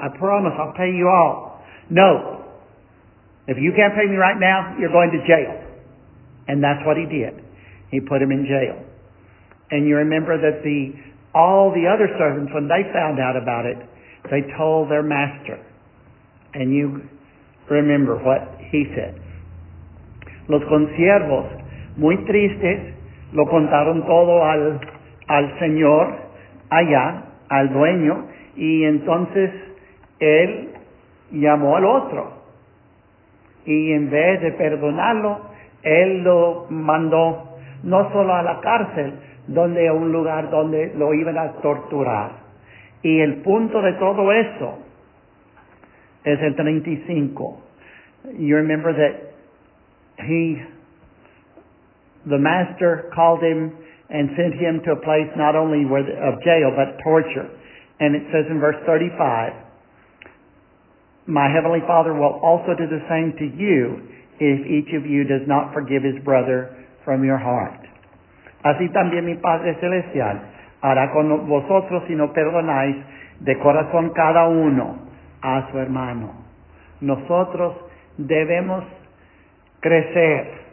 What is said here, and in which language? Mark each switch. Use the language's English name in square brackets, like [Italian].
[English] I promise I'll pay you all. No. If you can't pay me right now, you're going to jail. And that's what he did. He put him in jail. And you remember that all the other servants, when they found out about it, they told their master. And you remember what he said. [Spanish] Los conciervos, muy tristes, lo contaron todo al señor allá, al dueño, y entonces él llamó al otro. Y en vez de perdonarlo, él lo mandó no solo a la cárcel, donde a un lugar donde lo iban a torturar. Y el punto de todo eso es el 35. [English] You remember that the master called him and sent him to a place not only of jail, but torture. And it says in verse 35, my heavenly Father will also do the same to you if each of you does not forgive his brother from your heart. [Spanish] Así también mi Padre Celestial hará con vosotros si no perdonáis de corazón cada uno a su hermano. Nosotros debemos crecer.